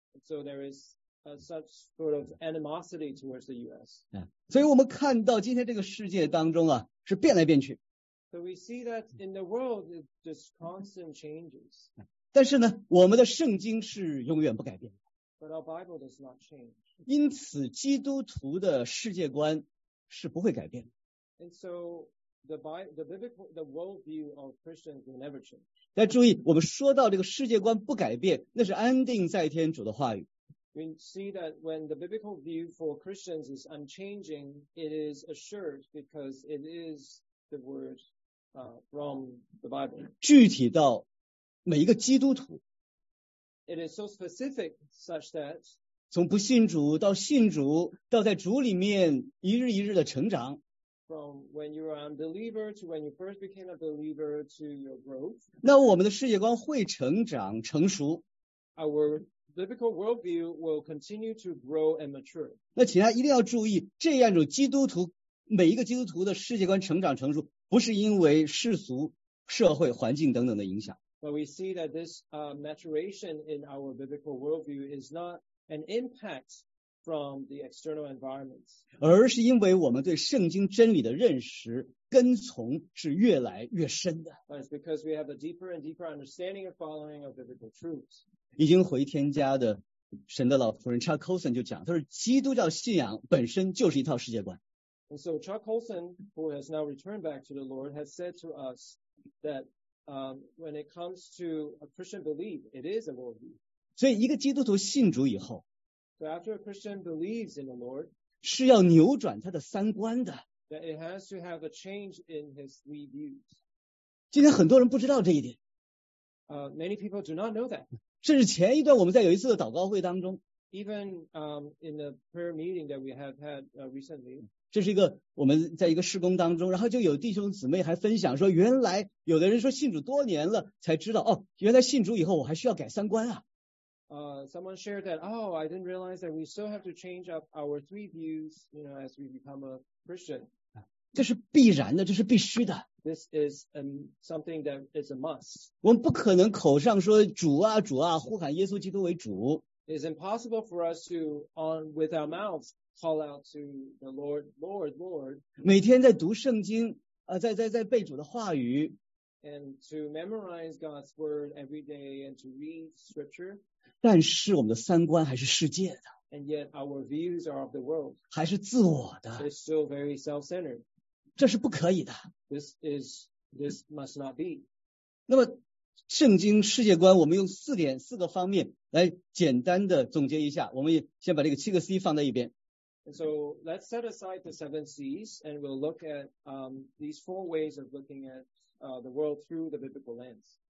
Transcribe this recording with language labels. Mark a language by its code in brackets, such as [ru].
[en] So there is a such sort of animosity towards the U.S.、 [zh] 所以我们看到今天这个世界当中啊，是变来变去。 [en] So we see that in the world, it's just constant changes. [zh] 但是呢，我们的圣经是永远不改变的。 [en] But our Bible does not change. [zh] 因此，基督徒的世界观是不会改变的。 [en] And so the world view of Christians will never change. [zh] 但注意，我们说到这个世界观不改变，那是安定在天主的话语。 [en] We see that when the biblical view for Christians is unchanging, it is assured because it is. The word, from the Bible. [zh] 具体到每一个基督徒 [en] It is so specific such that [zh] 从不信主到信主到在主里面一日一日的成长 [en] From when you are an unbeliever to when you first became a believer to your growth [zh] 那我们的世界观会成长成熟 [en] Our biblical worldview will continue to grow and mature [zh] 那请大家一定要注意这样一种基督徒每一个基督徒的世界观成长成熟不是因为世俗社会环境等等的影响 [en] But we see that this maturation in our biblical worldview is not an impact from the external environment [zh] 而是因为我们对圣经真理的认识跟从是越来越深的 [en] But it's because we have a deeper and deeper understanding and following of biblical truths [zh] 已经回天家的神的老仆人 Chuck Colson 就讲他说基督教信仰本身就是一套世界观 [en] And so Chuck Colson, who has now returned back to the Lord, has said to us that when it comes to a Christian belief, it is a worldview. [zh] 所以一个基督徒信主以后 [en] So after a Christian believes in the Lord, [zh] 是要扭转他的三观的 [en] that it has to have a change in his three views. [zh] 今天很多人不知道这一点 [en] Many people do not know that. [zh] 甚至前一段我们在有一次的祷告会当中 [en] Even in the prayer meeting that we have had recently, [zh] 这是一个我们在一个事工当中然后就有弟兄姊妹还分享说原来有的人说信主多年了才知道哦原来信主以后我还需要改三观啊。 [en] Someone shared that, oh, I didn't realize that we still have to change up our three views, you know, as we become a Christian. [zh] 这是必然的这是必须的。 [en] This is something that is a must. [zh] 我们不可能口上说主啊主啊呼喊耶稣基督为主。 [en] It's impossible for us to, on with our mouths,call out to the Lord, Lord, Lord. [zh] 每天在读圣经，在背主的话语。 [en] And to memorize God's word every day and to read scripture. [zh] 但是我们的三观还是世界的。 [en] And yet our views are of the world. [zh] 还是自我的。 [en] It's still very self-centered. [zh] 这是不可以的。 [en] This must not be. [zh] 那么圣经世界观我们用四个方面来简单的总结一下。我们先把这个七个 C 放在一边。 [en] And so let's set aside the seven C's and we'll look at these four ways of looking at the world through the biblical lens.